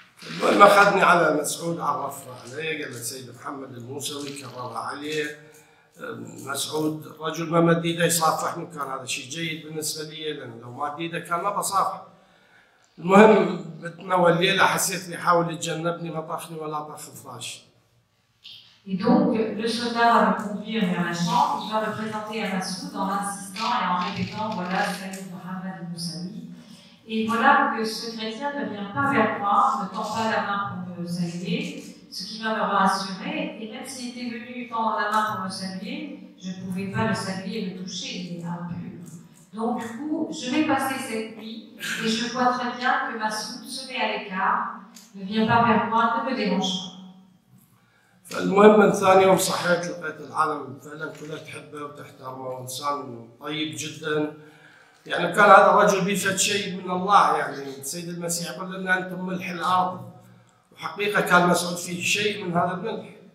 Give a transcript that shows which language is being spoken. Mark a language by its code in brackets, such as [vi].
[ar] المهم أخذني على مسعود، عرفنا علي قال السيد محمد الموسوي، كرر عليه مسعود رجل ما مد ايده يصافحني، كان هذا شيء جيد بالنسبة لي لأنه لو ما مد ايده كان ما بصافح. المهم بتنا والليلة حسيت اني حاول يتجنبني ما طخني ولا طخ فراشي. [fr] Et donc, le soldat va me conduire vers la chambre, il va me présenter à Massoud en insistant et en répétant « Voilà, salut Mohamed Moussaoui ». Et voilà que ce chrétien ne vient pas vers moi, ne tend pas la main pour me saluer, ce qui va me rassurer. Et même s'il était venu tendre la main pour me saluer, je ne pouvais pas le saluer et le toucher, il est impur. Donc du coup, je vais passer cette nuit et je vois très bien que Massoud se met à l'écart, ne vient pas vers moi, ne me dérange pas. [ar] المهم من ثاني يوم صحيت لقيت العالم فعلا كلها تحبه وتحترمه، وانسان طيب جدا. يعني كان هذا الرجل بيه فد شيء من الله، يعني السيد المسيح قال لنا انتم ملح الارض، وحقيقه كان مسعود فيه شيء من هذا الملح.